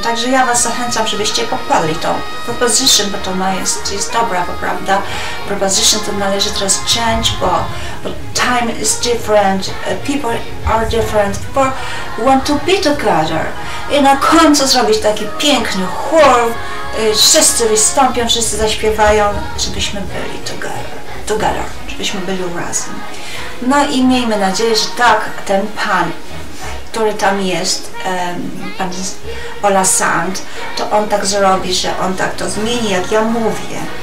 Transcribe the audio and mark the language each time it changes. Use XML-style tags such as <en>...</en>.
<pl>Także ja Was zachęcam, żebyście poparli tą proposition, bo to jest dobra, prawda?</pl> <en>Proposition</en> <pl>to należy teraz</pl> <en>change,</en> <pl>bo</pl> <en>time is different, people are different, people want to be together.</en> <pl>I na końcu zrobić taki piękny chór, wszyscy wystąpią, wszyscy zaśpiewają, żebyśmy byli together, żebyśmy byli razem. No i miejmy nadzieję, że tak ten pan, który tam jest, pan Ola Sand, to on tak zrobi, że on tak to zmieni, jak ja mówię.</pl>